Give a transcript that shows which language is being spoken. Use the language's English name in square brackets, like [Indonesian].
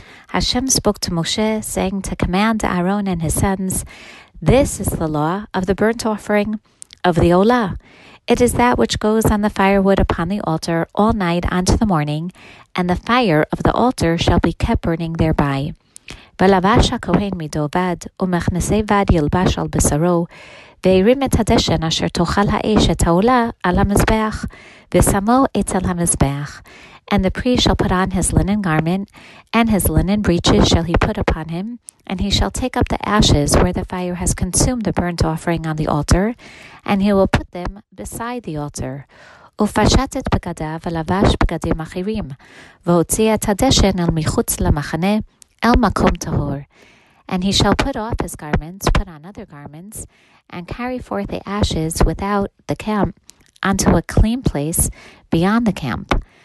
[English] Hashem spoke to Moshe, saying to command Aharon and his sons, this is the law of the burnt offering of the Olah. It is that which goes on the firewood upon the altar all night unto the morning, and the fire of the altar shall be kept burning thereby. [Hebrew] ולבש הכהן מדובד, ומכנסי בד ילבש על בשרו, והרים את הדשן אשר תאכל האש את העולה על המזבח, ושמו אצל המזבח. [English] And the priest shall put on his linen garment, and his linen breeches shall he put upon him, and he shall take up the ashes where the fire has consumed the burnt offering on the altar, and he will put them beside the altar. [Hebrew] ופשט את בגדיו ולבש בגדים אחרים, והוציא את הדשן אל מחוץ למחנה, El makom tahor, [English] and he shall put off his garments, put on other garments, and carry forth the ashes without the camp, unto a clean place beyond the camp.